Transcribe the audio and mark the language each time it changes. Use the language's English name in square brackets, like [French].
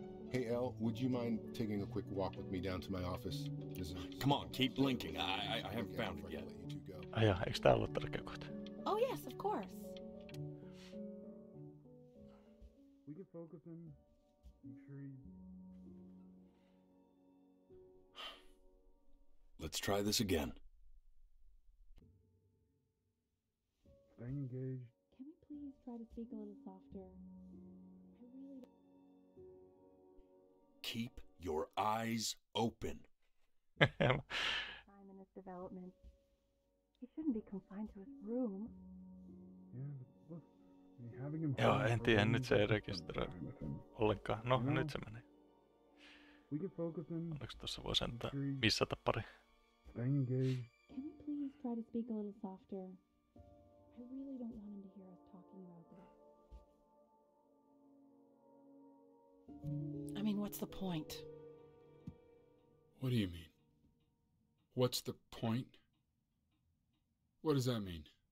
[English] Hey, Elle, would you mind taking a quick walk with me down to my office? Come on, keep blinking. I haven't found it yet. Let you go. Oh, yeah, [Finnish] eikö tää ollut tärkeä kohta? [English] Oh, yes, of course. We can focus on intrigue. Let's try this again. Staying engaged. Can we please try to speak a little softer? I really don't... Keep your eyes open. Simon is development. He shouldn't be confined to his room. Yeah, but look. [Finnish] Joo, en tiedä, nyt se ei rekisteröi ollenkaan. No, nyt se menee. [English] We can focus on... [Finnish] Onneksi tossa voi sentään missata pari. [English] Staying engaged. Can we please try to speak a little softer? I really don't want him to hear us talking about this. I mean, what's the point? What do you mean? What's the point? What does that mean?